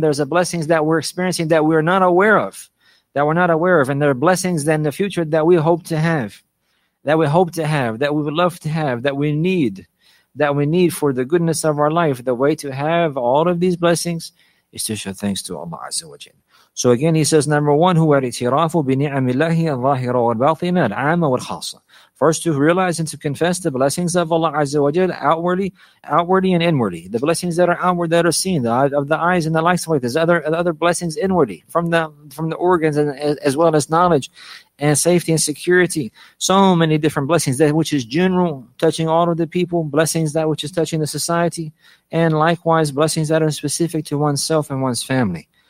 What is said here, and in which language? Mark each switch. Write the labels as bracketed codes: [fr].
[en] There's a blessings that we're experiencing that we're not aware of, that we're not aware of. And there are blessings in the future that we hope to have, that we hope to have, that we would love to have, that we need for the goodness of our life. The way to have all of these blessings is to show thanks to Allah Azza wa Jalla. So again, he says, number one, [ar] هو الاعتراف بنعم الله الظاهرة والباطنة العامة والخاصة. [en] First, to realize and to confess the blessings of Allah Azza wa Jal outwardly and inwardly. The blessings that are outward, that are seen, the of the eyes and the likes of it. There's other blessings inwardly from the organs and as well as knowledge and safety and security. So many different blessings, that which is general, touching all of the people, blessings that which is touching the society, and likewise blessings that are specific to oneself and one's family.